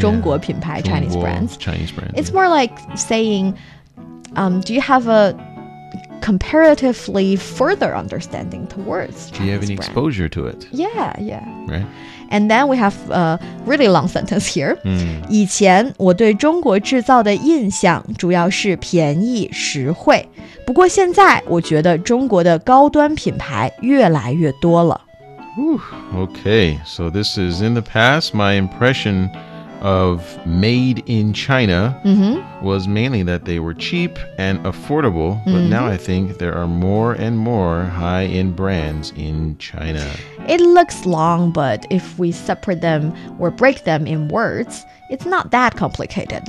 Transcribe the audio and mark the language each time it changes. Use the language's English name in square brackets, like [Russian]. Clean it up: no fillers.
[Chinese] 中国品牌 [English] Chinese brands. Chinese brand, it's、yeah. more like saying,、do you have a comparatively further understanding towards Chinese brand? Do you have any、 brand? Exposure to it? Yeah, yeah. Right. And then we have a really long sentence here.、 Mm. [Chinese] 以前我对中国制造的印象主要是便宜实惠。不过现在我觉得中国的高端品牌越来越多了。 [English] Ooh, okay, so this is in the past, my impression of made in China、 mm-hmm. was mainly that they were cheap and affordable, but、mm-hmm. now I think there are more and more high-end brands in China. It looks long, but if we separate them or break them in words, it's not that complicated.